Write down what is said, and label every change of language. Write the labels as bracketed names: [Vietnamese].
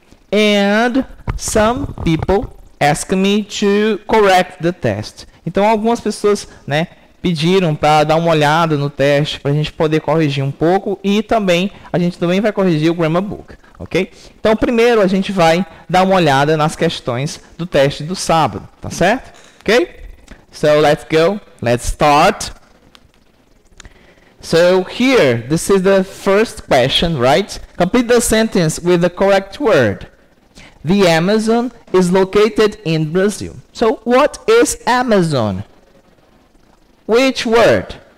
[English] And some people ask me to correct the test. [Portuguese] Então, algumas pessoas, né, pediram para dar uma olhada no teste, para a gente poder corrigir um pouco e também a gente também vai corrigir o grammar book, ok? Então, primeiro a gente vai dar uma olhada nas questões do teste do sábado, tá certo? [English] Ok? So, let's go, let's start. So here, this is the first question, right? Complete the sentence with the correct word. The Amazon is located in Brazil. So what is Amazon? Which word?